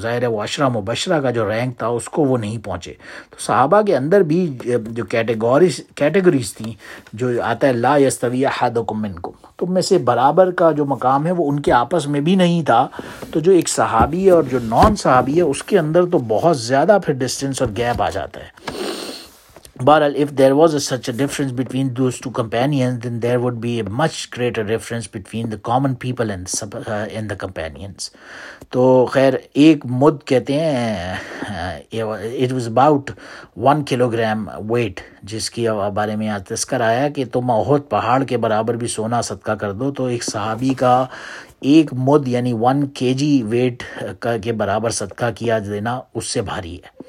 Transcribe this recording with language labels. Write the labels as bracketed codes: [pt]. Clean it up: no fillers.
[ur] ظاہر ہے وہ عشرہ مبشرہ کا جو رینک تھا اس کو وہ نہیں پہنچے. تو صحابہ کے اندر بھی جو کیٹیگریز تھیں, جو آتا ہے [ar] لا یستوی احدکم منکم, [ur] تم میں سے برابر کا جو مقام ہے وہ ان کے آپس میں بھی نہیں تھا. تو جو ایک صحابی ہے اور جو نان صحابی ہے اس کے اندر تو بہت زیادہ پھر ڈسٹینس اور گیپ آ جاتا ہے. [en] بہرحال if there was a such a difference between those two companion then there would be a much greater difference between the common people and the companions. [ur] تو خیر ایک مد کہتے ہیں [en] it was about 1 kg weight [ur] جس کی بارے میں یاد تذکر آیا کہ تم احد پہاڑ کے برابر بھی سونا صدقہ کر دو. تو ایک صحابی کا ایک مد یعنی 1 kg ویٹ کے برابر صدقہ کیا دینا اس سے بھاری ہے.